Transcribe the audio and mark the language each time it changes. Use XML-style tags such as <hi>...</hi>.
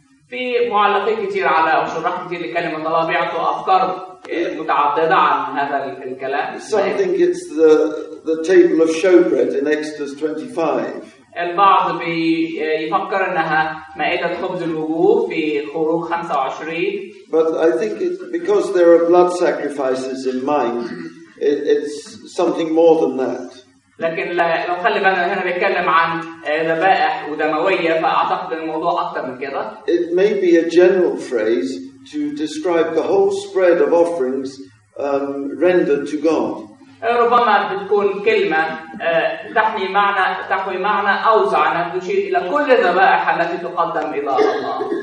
<ar>في معلقين كتير على وشرح كتير لكلمة الله بيعطوا أفكار متعددة عن هذا الكلام.</ar> <en>Some think it's the table of showbread in Exodus 25.</en> <ar>البعض بيفكر أنها مائدة خبز الوجوه في خروج 25.</ar> <en>But I think it, because there are blood sacrifices in mind, it's something more than that.</en> <ar>لكن لو خلي بالنا هنا بيتكلم عن ذبائح ودموية فأعتقد الموضوع أكثر من كده.</ar> <en>It may be a general phrase to describe the whole spread of offerings rendered to God.</en> <ar>ربما بتكون كلمة تحوي معنى أوسع أنها تشير إلى كل الذبائح التي تقدم إلى الله.</ar>